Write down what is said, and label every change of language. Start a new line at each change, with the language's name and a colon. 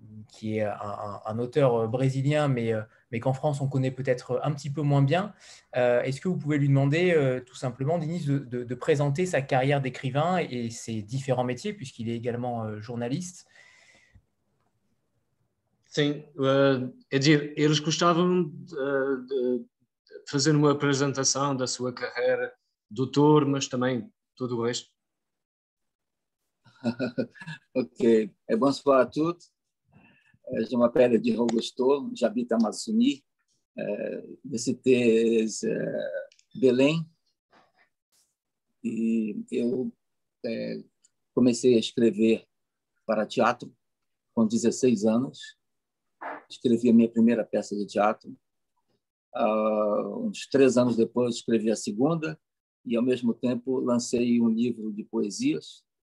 French: Qui est un auteur brésilien, mais qu'en France on connaît peut-être un petit peu moins bien. Est-ce que vous pouvez lui demander tout simplement, Denis, de présenter sa carrière d'écrivain et ses différents métiers, puisqu'il est également journaliste?
Portuguese: Sim, é dizer, eles gostavam de fazer uma apresentação da sua carreira, doutor, mas também todo o resto.
French: Ok, bonsoir à tous. Je m'appelle Edir Augusto, j'habite à Amazonie, c'était Belém.
Portuguese: Et eu comecei a escrever para teatro com 16 anos. Escrevi a minha primeira peça de teatro. Uns 3 anos depois, escrevi a segunda e, ao mesmo tempo, lancei um livro de poesias.